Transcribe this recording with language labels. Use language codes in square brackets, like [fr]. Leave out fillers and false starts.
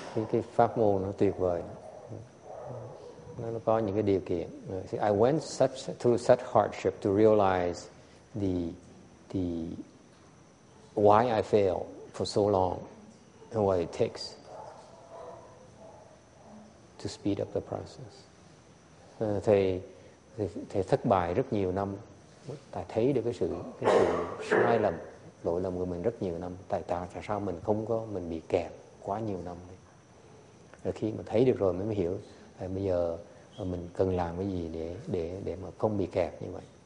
[vi] Cái pháp môn nó tuyệt vời. Nó có những cái điều kiện. [en] See, I went through such hardship to realize the why I failed for so long and what it takes to speed up the process. [vi] Thầy thất bại rất nhiều năm, tại thấy được cái sự sai lầm, lỗi lầm của mình rất nhiều năm, tại sao mình không có, mình bị kẹt quá nhiều năm. Rồi khi mà thấy được rồi mới hiểu bây giờ mình cần làm cái gì để mà không bị kẹt như vậy.